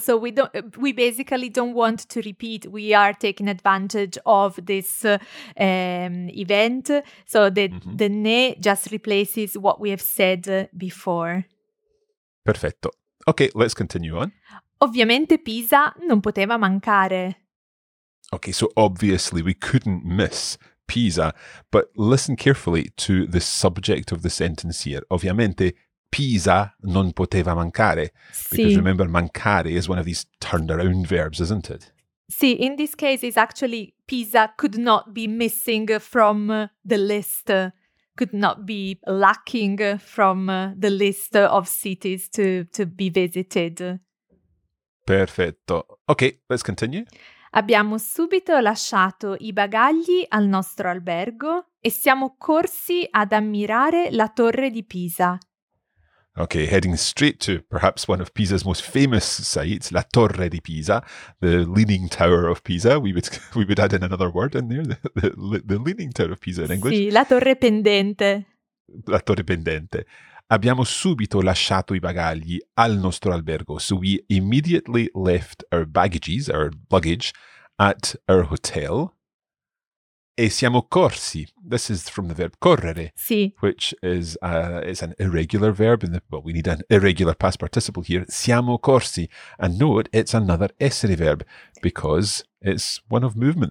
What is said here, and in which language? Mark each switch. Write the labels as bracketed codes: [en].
[en] So we basically don't want to repeat. We are taking advantage of this event. So the ne just replaces what we have said before. [it] Perfetto. [en] Okay, let's continue on. [it] Ovviamente Pisa non poteva mancare. [en] Okay, so obviously we couldn't miss Pisa, but listen carefully to the subject of the sentence here. [it] Ovviamente Pisa non poteva mancare. Sì. [en] Because remember, mancare is one of these turned around verbs, isn't it? Sì, in this case, it's actually Pisa could not be missing from the list, could not be lacking from the list of cities to be visited. [it] Perfetto. [en] Ok, let's continue. [it] Abbiamo subito lasciato i bagagli al nostro albergo e siamo corsi ad ammirare la torre di Pisa. [en] Okay, heading straight to perhaps one of Pisa's most famous sites, La Torre di Pisa, the Leaning Tower of Pisa. We would add in another word in there, the Leaning Tower of Pisa in English. [it] Sì, La Torre Pendente. La Torre Pendente. Abbiamo subito lasciato i bagagli al nostro albergo. [en] So we immediately left our baggages, our luggage, at our hotel. [it] E siamo corsi. [en] This is from the verb correre, [it] sì. [en] Which is it's an irregular verb. But we need an irregular past participle here. [it] Siamo corsi. [en] And note, it's another essere verb because it's one of movement.